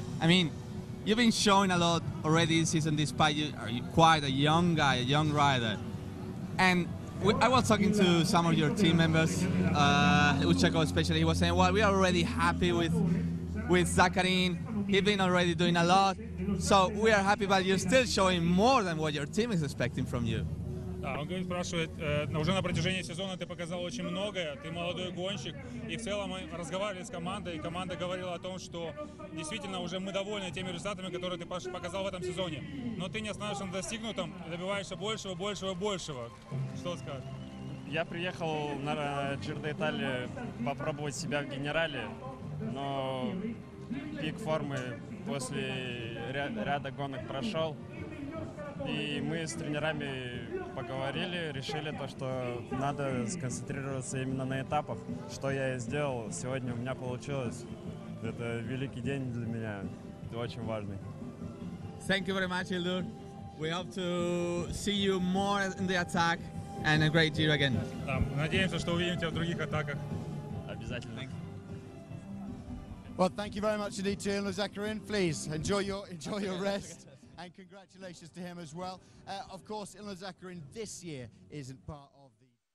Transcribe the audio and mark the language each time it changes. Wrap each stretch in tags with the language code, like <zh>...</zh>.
<en>I mean, you've been showing a lot already this season, despite you are quite a young guy, a young rider. And I was talking to some of your team members, Uchako especially. He was saying, well, we are already happy with Zaccarin. He's been already doing a lot. So we are happy, but you're still showing more than what your team is expecting from you.</en> <ru>Да, он говорит, спрашивает, уже на протяжении сезона ты показал очень многое, ты молодой гонщик, и в целом мы разговаривали с командой, и команда говорила о том, что действительно уже мы довольны теми результатами, которые ты показал в этом сезоне, но ты не останавливаешься на достигнутом, добиваешься большего, большего, большего. Что скажешь? Я приехал на Giro d'Italia попробовать себя в генерале, но пик формы после ряда гонок прошел. И мы с тренерами поговорили, решили то, что надо сконцентрироваться именно на этапах. Что я и сделал. Сегодня у меня получилось. Это великий день для меня. Это очень важный.</ru> <en>Thank you very much, Ildur. We hope to see you more in the attack and a great year again.</en> <ru>Да, надеемся, что увидим тебя в других атаках. Обязательно.</ru> <en>Well, thank you very much indeed to Ildur Zaccarin. Please, enjoy your rest. And congratulations to him as well. Of course, Ilan Zaccarin this year isn't part of the...</en>